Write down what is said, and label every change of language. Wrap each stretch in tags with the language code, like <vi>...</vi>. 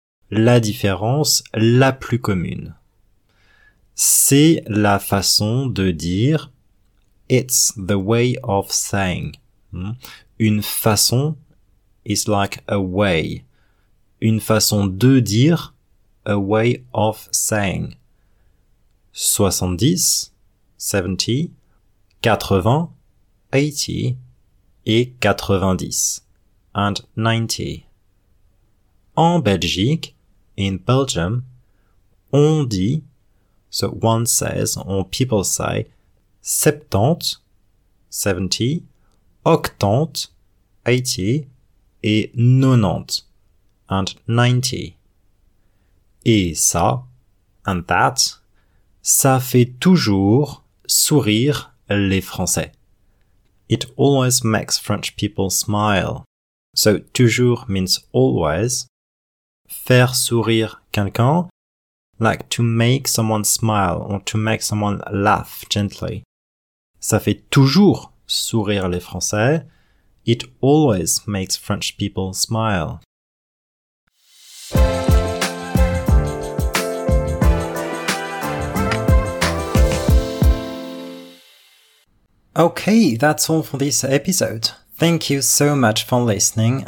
<fr>La différence la plus commune. C'est la façon de dire.</fr> <en>It's the way of saying. Une façon is like a way. Une façon de dire, a way of saying. 70, 70, 80, 80, et 90, and 90.</en> <fr>En Belgique,</fr> <en>in Belgium,</en> <fr>on dit,</fr> <en>so one says, or people say, 70, 70, 80, 80,</en> <fr>et 90,</fr> <en>and 90.</en> <fr>Et ça,</fr> <en>and that,</en> <fr>ça fait toujours sourire les Français.</fr> <en>It always makes French people smile. So, toujours means always.</en> <fr>Faire sourire quelqu'un,</fr> <en>like to make someone smile or to make someone laugh gently.</en> <fr>Ça fait toujours sourire les Français.</fr> <en>It always makes French people smile. Okay, that's all for this episode. Thank you so much for listening.</en>